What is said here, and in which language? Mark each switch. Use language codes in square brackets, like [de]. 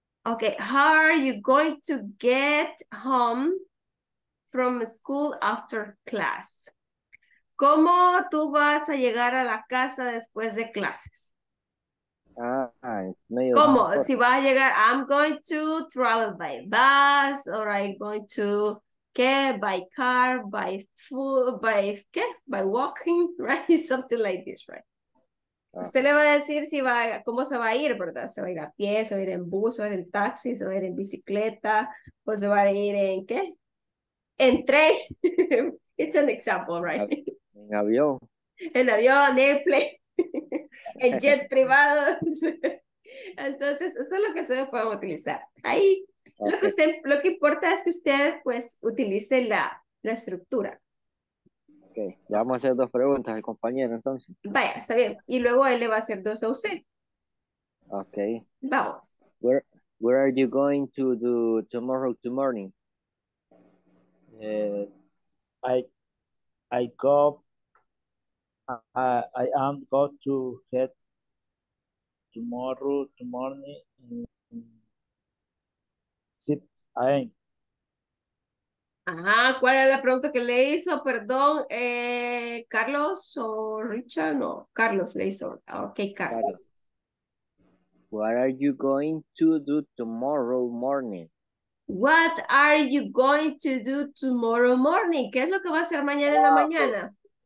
[en] Okay, how are you going to get home from school after class? [es] ¿Cómo tú vas a llegar a la casa después de clases? ¿Cómo? Si vas a llegar, [en] I'm going to travel by bus, or I'm going to get by car, by foot, by walking, right? Something like this, right? [es] Usted le va a decir si va, cómo se va a ir, ¿verdad? ¿Se va a ir a pie, se va a ir en bus, se va a ir en taxi, se va a ir en bicicleta, o se va a ir en qué? En tren. [en] It's an example, right? [es] En avión. En avión, airplane. En jet privado. Entonces, eso es lo que ustedes pueden utilizar. Ahí, okay. Lo que importa es que usted, pues, utilice la estructura. Ok, le vamos a hacer dos preguntas al compañero, entonces. Vaya, está bien. Y luego él le va a hacer dos a usted. Ok. Vamos. [en] Where are you going to do tomorrow to morning? I am going to get tomorrow to morning in 6 a.m. [es] Ajá, ¿cuál era la pregunta que le hizo? Perdón, ¿Carlos o Richard? No, Carlos le hizo. Ok, Carlos. [en] What are you going to do tomorrow morning? What are you going to do tomorrow morning? [es] ¿Qué es lo que va a hacer mañana en la mañana?